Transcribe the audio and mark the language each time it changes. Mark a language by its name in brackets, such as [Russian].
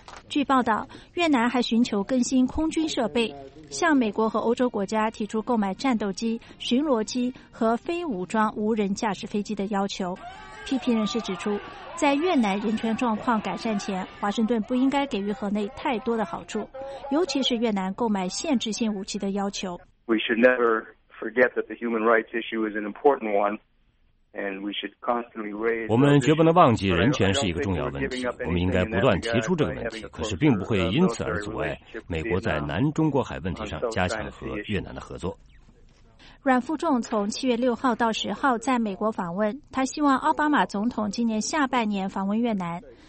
[Chinese] 据报道，越南还寻求更新空军设备，向美国和欧洲国家提出购买战斗机、巡逻机和非武装无人驾驶飞机的要求。批评人士指出，在越南人权状况改善前，华盛顿不应该给予河内太多的好处，尤其是越南购买限制性武器的要求。 [English] We should never forget that the human rights issue is an important one, and we should constantly raise. [Chinese] 我们绝不能忘记人权是一个重要问题，我们应该不断提出这个问题，可是并不会因此而阻碍美国在南中国海问题上加强和越南的合作。阮富仲从7月6号到10号在美国访问，他希望奥巴马总统今年下半年访问越南。